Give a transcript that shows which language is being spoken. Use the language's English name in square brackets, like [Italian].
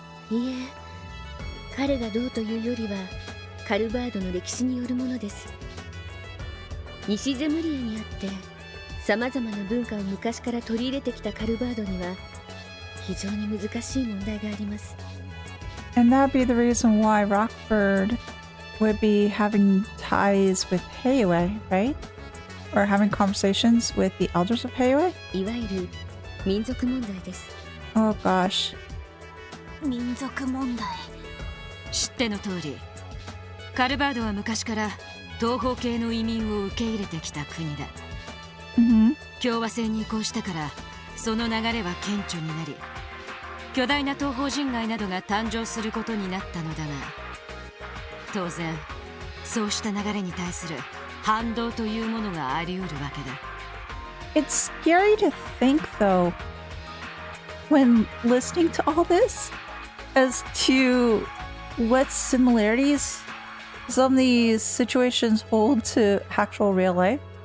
[Japanese] いえ、彼がどうというよりはカルバードの歴史によるものです。西ゼムリアにあって、さまざまな文化を昔から取り入れてきたカルバードには。非常に難しい問題があります。 [English] And that'd be the reason why Rockford would be having ties with Heiwe, right? Or having conversations with the elders of Heiwe? [Japanese] いわゆる民族問題です。 [English] Oh gosh. [Japanese] 民族問題。知っての通り、カルバードは昔から東方系の移民を受け入れてきた国だ。 Mm-hmm. 共和制に移行したから、その流れは顕著になり、巨大な東方人街などが誕生することになったのだが、当然そうした流れに対する反動というものがあり得るわけだ。 [English] It's scary to think though when listening to all this as to what similarities some of these situations hold to actual real life.